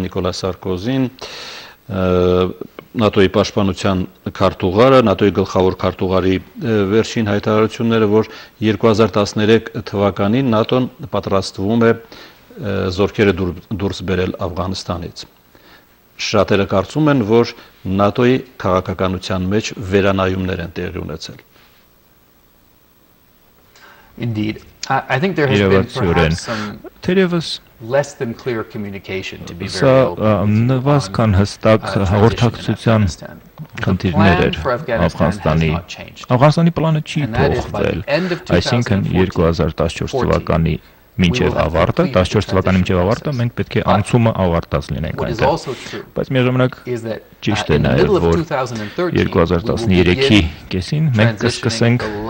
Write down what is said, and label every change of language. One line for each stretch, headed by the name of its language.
Armenian: ՆԱՏՕ-ի պաշտպանության քարտուղարը, ՆԱՏՕ-ի գլխավոր քարտուղարի վերջին հայտարարությունները, որ 2013 թվականին ՆԱՏՕ-ն պատրաստվում է զորքերը դուրս բերել Աֆղանստանից։ Շատերը կարծում են, որ ՆԱՏՕ-ի քաղաքականության մեջ վերանայումներ են տեղի ունեցել։
English: Indeed, I think there has been perhaps some less than clear communication, to be very open.
Armenian: Սա նվազ քան հստակ հաղորդակցության խնդիրներ էր Աֆղանստանի. Աֆղանստանի պլանը չի փոխվել, այսինքն 2014 թվականի մինչև ավարտը, 14 թվականի մինչև ավարտը մենք պետք է անցումը ավարտած լինենք այնտեղ։ Բայց միաժամանակ ճիշտ է նաև, որ 2013-ի կեսին մենք կսկսենք